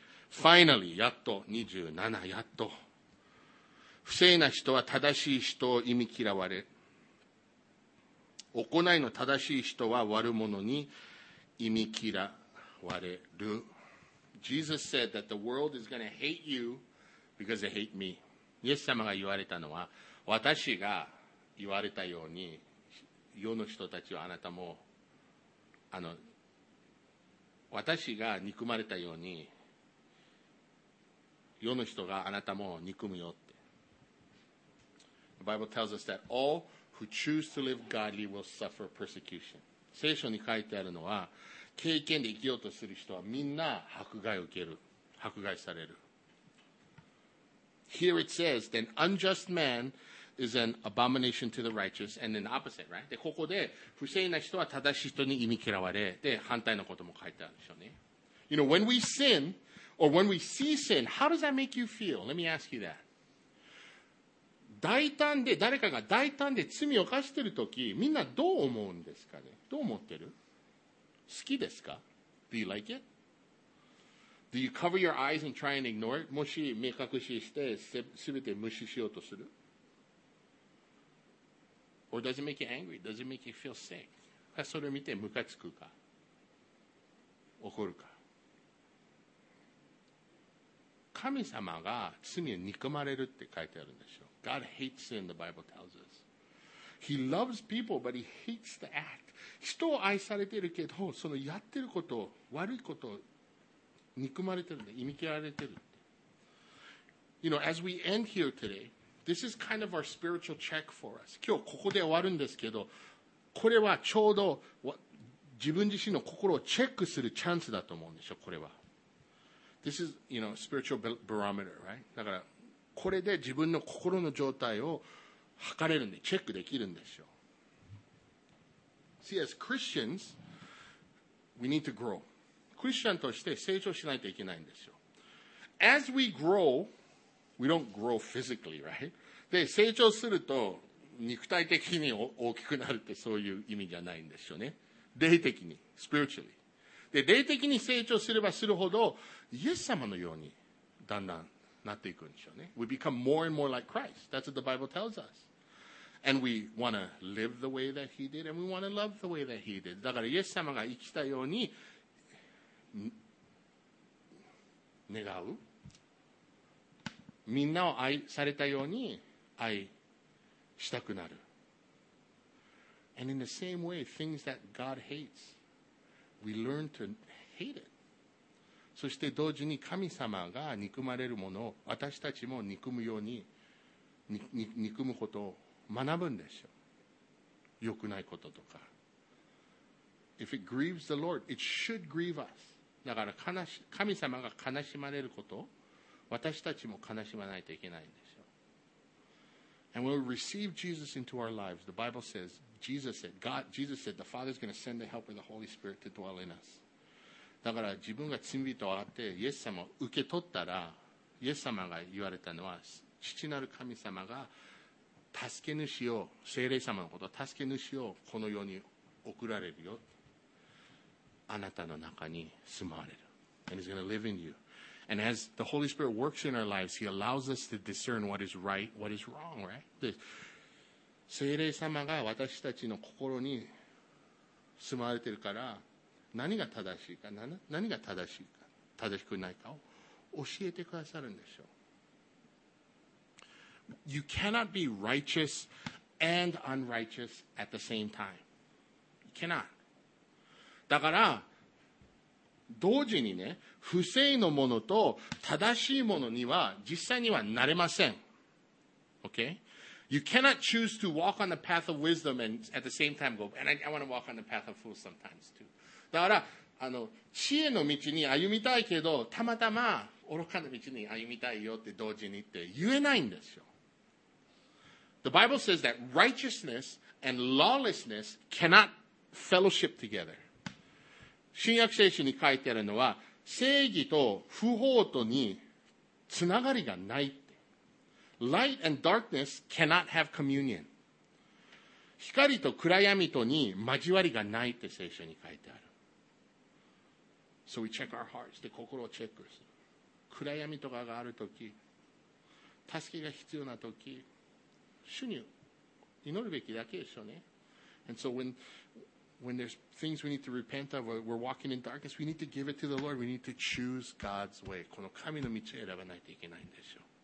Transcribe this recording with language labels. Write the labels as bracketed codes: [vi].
[en] Finally, [ja] やっと、27、やっと。不正な人は正しい人を忌み嫌われ。行いの正しい人は悪者に忌み嫌われる。 [en] Jesus said that the world is going to hate you because they hate me. [ja] イエス様が言われたのは、私が言われたように、世の人たちはあなたも、私が憎まれたように、世の人があなたも憎むよって。 [en] The Bible tells us that all who choose to live godly will suffer persecution. [ja] 聖書に書いてあるのは、敬虔で生きようとする人はみんな迫害を受ける、迫害される。 [en] Here it says, then unjust man is an abomination to the righteous, and then opposite, right? [ja] で、ここで、不正な人は正しい人に忌み嫌われ、で、反対のことも書いてあるでしょうね。 [en] You know, when we sin, or when we see sin, how does that make you feel? Let me ask you that. [ja] 大胆で、誰かが大胆で罪を犯してるとき、みんなどう思うんですかね？どう思ってる？好きですか？ [en] Do you like it? Do you cover your eyes and try and ignore it? [ja] もし目隠しして、すべて無視しようとする？ [en] Or does it make you angry? Does it make you feel sick? [ja] それを見てムカつくか？怒るか？神様が罪を憎まれるって書いてあるんでしょ？ [en] God hates sin, the Bible tells us. He loves people, but he hates the act. [ja] 人を愛されてるけど、そのやってること、悪いことを憎まれてるんだ、忌み嫌われてるって。 [en] You know, as we end here today, this is kind of our spiritual check for us. [ja] 今日ここで終わるんですけど、これはちょうど自分自身の心をチェックするチャンスだと思うんでしょ、これは。 [en] This is, you know, spiritual barometer, right? [ja] だから、これで自分の心の状態を測れるんで、チェックできるんですよ。 [en] See, as Christians, we need to grow. [ja] クリスチャンとして成長しないといけないんですよ。 [en] As we grow, we don't grow physically, right? [ja] で、成長すると肉体的に大きくなるってそういう意味じゃないんですよね。霊的に、 [en] spiritually。 [ja] で、霊的に成長すればするほど、イエス様のようにだんだんなっていくんでしょうね。 [en] We become more and more like Christ. That's what the Bible tells us. And we want to live the way that he did, and we want to love the way that he did. [ja] だからイエス様が生きたように願う。みんなを愛されたように愛したくなる。 [en] And in the same way, things that God hates, we learn to hate it. [ja] そして同時に神様が憎まれるものを私たちも憎むように憎むことを学ぶんでしょう。良くないこととか。 [en] If it grieves the Lord, it should grieve us. [ja] だから神様が悲しまれることを私たちも悲しまないといけないんですよ。 [en] And we'll receive Jesus into our lives. The Bible says, Jesus said, the Father is going to send the helper, the Holy Spirit, to dwell in us. [ja] だから自分が罪人があって、イエス様を受け取ったら、イエス様が言われたのは、父なる神様が助け主を、聖霊様のことを助け主をこの世に送られるよ。あなたの中に住まわれる。 [en] And he's going to live in you. And as the Holy Spirit works in our lives, He allows us to discern what is right, what is wrong, right? [ja] で、聖霊様が私たちの心に住まわれてるから、何が正しいか、何が正しいか、正しくないかを教えてくださるんでしょう。 [en] You cannot be righteous and unrighteous at the same time. You cannot. [ja] だから、同時にね、不正のものと正しいものには実際にはなれません。 [en] Okay? You cannot choose to walk on the path of wisdom and at the same time go, and I want to walk on the path of fools sometimes too. [ja] だから、知恵の道に歩みたいけど、たまたま愚かな道に歩みたいよって同時にって言えないんですよ。 [en] The Bible says that righteousness and lawlessness cannot fellowship together. [ja] 新約聖書に書いてあるのは、正義と不法とにつながりがないって。 [en] Light and darkness cannot have communion. [ja] 光と暗闇とに交わりがないって聖書に書いてある。 [en] So we check our hearts, [ja] で心をチェックする。暗闇とかがあるとき、助けが必要なとき、主に祈るべきだけでしょうね。 [en] And so when there's things we need to repent of, or we're walking in darkness, we need to give it to the Lord. We need to choose God's way. [ja] この神の道を選ばないといけないんですよ。